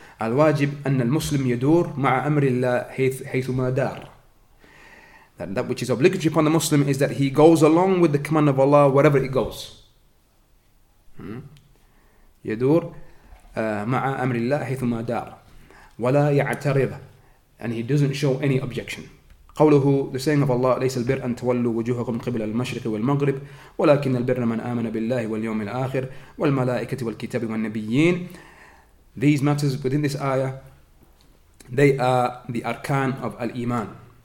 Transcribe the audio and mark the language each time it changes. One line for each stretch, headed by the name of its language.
Arabic: الواجب أن المسلم يدور مع أمر الله حيثما دار.
English: That which is obligatory upon the Muslim is that he goes along with the command of Allah wherever it goes.
Arabic: يدور مع أمر الله حيثما دار. ولا يعترض.
English: And he doesn't show any objection.
Arabic: قوله,
English: the saying of Allah,
Arabic: ليس البر أن تولوا وجوهكم قبل المشرق والمغرب ولكن البر من آمن بالله واليوم الآخر والملائكة والكتاب والنبيين.
English: These matters within this ayah, they are the arkan of al-iman.